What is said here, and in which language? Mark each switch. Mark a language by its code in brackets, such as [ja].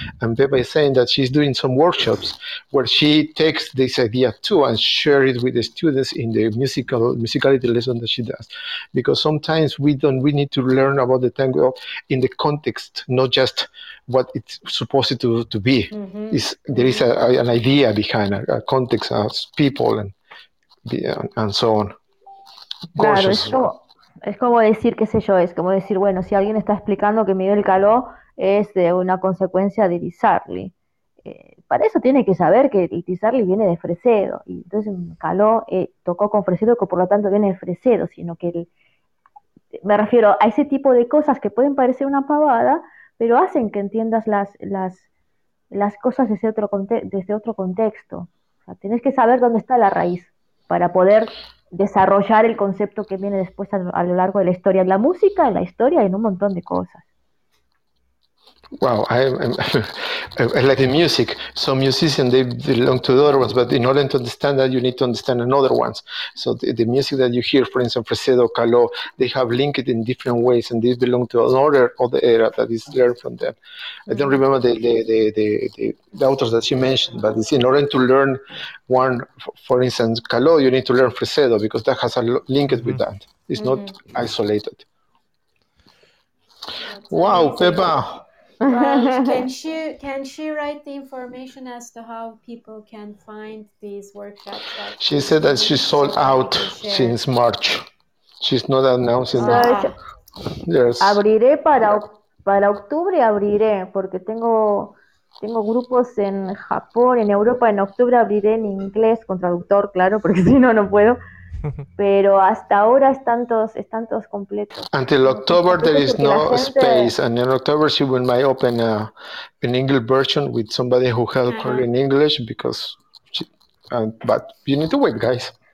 [en] And Peppa is saying that she's doing some workshops where she takes this idea too and share it with the students in the musicality lesson that she does. Because sometimes we need to learn about the tango in the context, not just what it's supposed to be. Mm-hmm. There is an idea behind a context as people and so on. [es] Claro, es como decir, qué sé yo, es como decir, bueno, si alguien está explicando que Miguel Caló es de una consecuencia de Tizarli, para eso tiene que saber que Tizarli viene de Fresedo, y entonces Caló tocó con Fresedo, que por lo tanto viene de Fresedo, sino que me refiero a ese tipo de cosas que pueden parecer una pavada, pero hacen que entiendas las cosas desde otro contexto. O sea, tienes que saber dónde está la raíz para poder desarrollar el concepto que viene después a lo largo de la historia, la música, la historia, en un montón de cosas. [en] Wow, I like the music. Some musicians, they belong to other ones, but in order to understand that, you need to understand another ones. So the music that you hear, for instance, Fresedo, Caló, they have linked it in different ways, and these belong to another other era that is learned from them. I don't remember the authors that you mentioned, but it's in order to learn one, for instance, Caló, you need to learn Fresedo, because that has a link it with that. It's not isolated. Wow, Pepa. Can she write the information as to how people can find these workshops? She said that she sold out since March. She's not announcing that. Yes. [es] Abriré para octubre, abriré, porque tengo grupos en Japón, en Europa. En octubre abriré en inglés con traductor, claro, porque si no, no puedo. Pero hasta ahora están todos completos. [en] Until October there is no space, and in October she will might open an English version with somebody who help her in English, because she, but you need to wait, guys.